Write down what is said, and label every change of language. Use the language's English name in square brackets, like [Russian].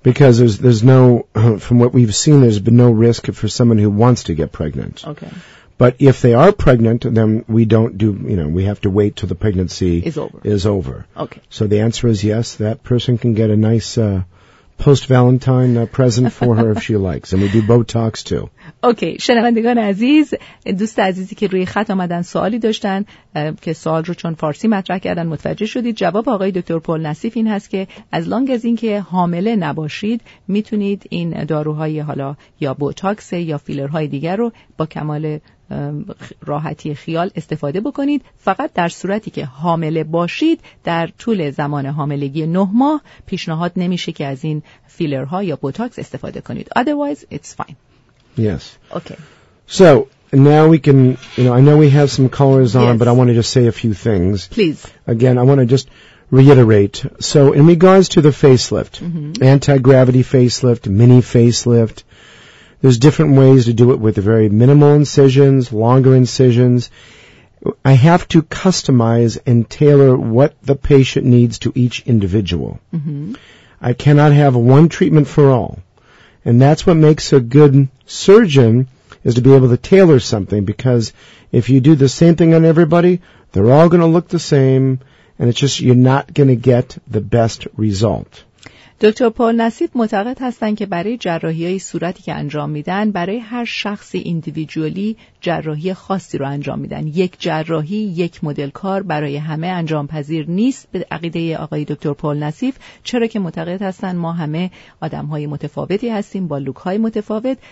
[English] Because there's no, from what we've seen, there's been no risk for someone who wants to get pregnant. Okay. But if they are pregnant, then we don't do, you know, we have to wait till the pregnancy is over. Okay. So the answer is yes, that person can get a nice post-Valentine present for her if she likes. And we do Botox too. [Persian] اوکی، شنوندگان عزیز، دوست عزیزی که روی خط آمدن سوالی داشتن که سوال رو چون فارسی مطرح کردن متوجه شدید، جواب آقای دکتر پال نصیف این هست که از لانگ از این که حامله نباشید میتونید این داروهای حالا یا بوتاکس یا فیلرهای دیگر رو با کمال راحتی خیال استفاده بکنید. فقط در صورتی که حامله باشید در طول زمان حاملگی 9 ماه پیشنهاد نمیشه که از این فیلرها یا بوتاکس استفاده کنید. [English] Otherwise it's fine. Yes. Okay. So now we can, you know, I know we have some callers on, yes. But I want to just say a few things. Please. Again, I want to just reiterate. So in regards to the facelift, mm-hmm. anti-gravity facelift, mini facelift, there's different ways to do it with very minimal incisions, longer incisions. I have to customize and tailor what the patient needs to each individual. Mm-hmm. I cannot have one treatment for all. And that's what makes a good surgeon, is to be able to tailor something, because if you do the same thing on everybody, they're all going to look the same, and it's just you're not going to get the best result. [Persian] دکتر پال نصیف معتقد هستند که برای جراحی‌های صورتی که انجام میدن برای هر شخصی ایندیویدوالی جراحی خاصی رو انجام میدن. یک جراحی، یک مدل کار برای همه انجام پذیر نیست به عقیده آقای دکتر پال نصیف، چرا که معتقد هستند ما همه آدم‌های متفاوتی هستیم با لوک‌های متفاوت.